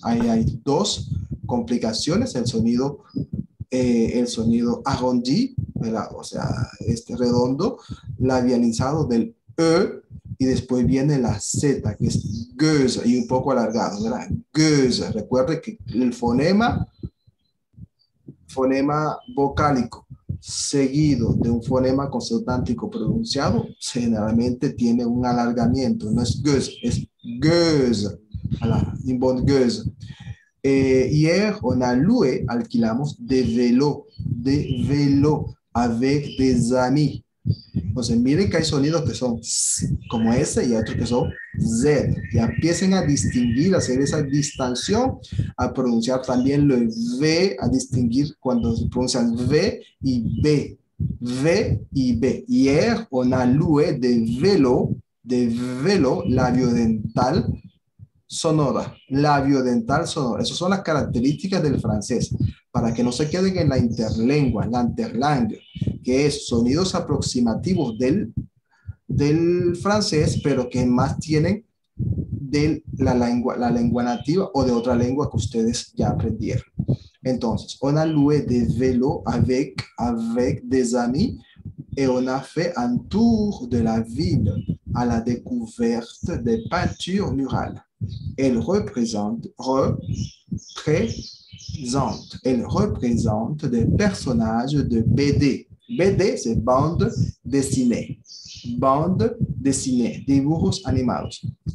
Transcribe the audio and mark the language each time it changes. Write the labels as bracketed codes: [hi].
[es] Ahí hay dos complicaciones. El sonido arrondi, ¿verdad? O sea, este redondo, labializado del E, y después viene la Z, que es gueuse, y un poco alargado, ¿verdad? Gueuse. Recuerde que el fonema vocálico seguido de un fonema consonántico pronunciado generalmente tiene un alargamiento, no es gueuse, es gueuse. [fr] Une bonne gueuse. Hier, on a loué, [es] alquilamos [fr] des vélos avec des amis. [es] Entonces, miren que hay sonidos que son como S y otros que son Z. Y empiecen a distinguir, a hacer esa distinción, a pronunciar también el V, a distinguir cuando se pronuncian V y B. V y B. [fr] Hier, on a loué des vélos, [es] labio dental. Sonora, labio dental sonora. Esas son las características del francés. Para que no se queden en la interlengua, la interlangue, que es sonidos aproximativos del francés, pero que más tienen de la lengua nativa o de otra lengua que ustedes ya aprendieron. [fr] Entonces, on a loué de vélo avec des amis et on a fait un tour de la ville à la découverte de peintures murales. Elle représente des personnages de BD. BD, c'est bande dessinée. Bande dessinée, [es] dibujos animados.